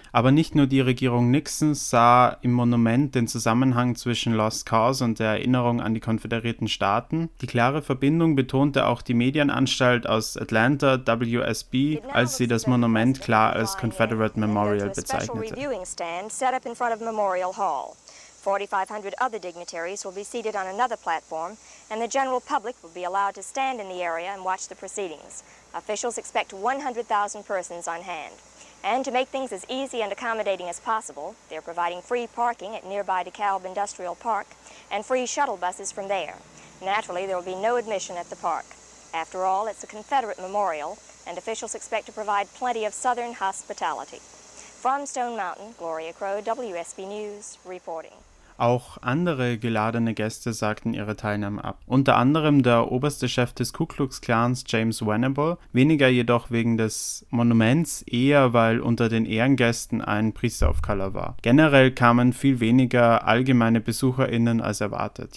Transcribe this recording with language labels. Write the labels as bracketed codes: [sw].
[de] Aber nicht nur die Regierung Nixon sah im Monument den Zusammenhang zwischen Lost Cause und der Erinnerung an die Konföderierten Staaten. Die klare Verbindung betonte auch die Medienanstalt aus Atlanta, WSB, als sie das Monument klar als Confederate Memorial bezeichnete. [en] Ein Reviewing Stand set up in front of Memorial Hall. 4500 other dignitaries will be seated on another platform and the general public will be allowed to stand in the area and watch the proceedings. Officials expect 100,000 persons on hand. And to make things as easy and accommodating as possible, they're providing free parking at nearby DeKalb Industrial Park and free shuttle buses from there. Naturally, there will be no admission at the park. After all, it's a Confederate memorial, and officials expect to provide plenty of Southern hospitality. From Stone Mountain, Gloria Crowe, WSB News, reporting. [de] Auch andere geladene Gäste sagten ihre Teilnahme ab. Unter anderem der oberste Chef des Ku Klux Klans, James Venable, weniger jedoch wegen des Monuments, eher weil unter den Ehrengästen ein Priester of Color war. Generell kamen viel weniger allgemeine BesucherInnen als erwartet.